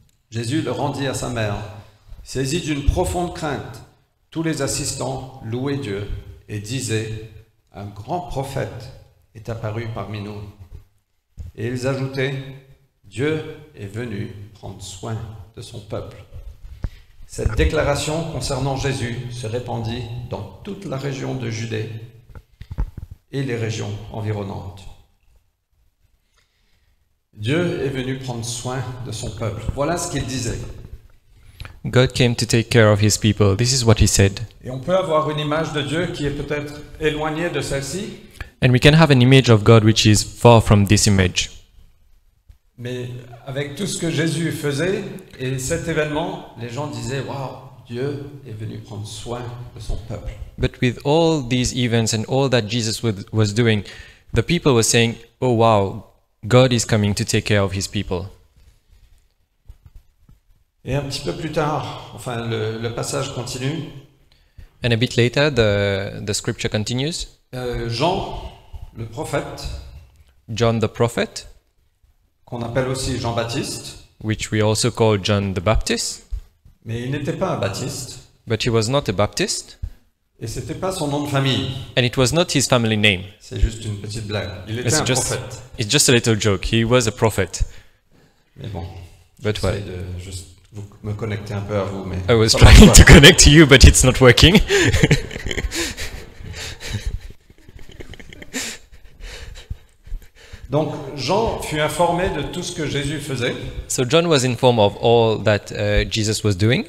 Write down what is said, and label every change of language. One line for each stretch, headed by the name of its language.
French: Jésus le rendit à sa mère. Saisi d'une profonde crainte, tous les assistants louaient Dieu et disaient « Un grand prophète est apparu parmi nous. » Et ils ajoutaient « Dieu est venu prendre soin de son peuple. » Cette déclaration concernant Jésus se répandit dans toute la région de Judée et les régions environnantes. Dieu est venu prendre soin de son peuple. Voilà ce qu'il disait.
English: God came to take care of his people. This is what he said.
French: Et on peut avoir une image de Dieu qui est peut-être éloignée de celle-ci.
English: And we can have an image of God which is far from this image.
French: Mais avec tout ce que Jésus faisait et cet événement, les gens disaient, waouh, Dieu est venu prendre soin de son peuple.
English: But with all these events and all that Jesus was doing, the people were saying, oh wow, God is coming to take care of his people.
French: Et un petit peu plus tard, enfin le passage continue.
English: And a bit later, the scripture continues.
French: Jean, le prophète.
English: John the prophet.
French: Qu'on appelle aussi Jean-Baptiste.
English: Which we also call John the Baptist.
French: Mais il n'était pas un baptiste.
English: But he was not a Baptist.
French: Et c'était pas son nom de famille.
English: And it was not his family name.
French: C'est juste une petite blague. Il était un prophète.
English: It's just a little joke. He was a prophet.
French: Mais bon.
English: But what?
French: Vous me connectez un peu à vous, mais...
English: I was trying to connect to you, but it's not working.
French: Donc, Jean fut informé de tout ce que Jésus faisait.
English: So John was informed of all that Jesus was doing.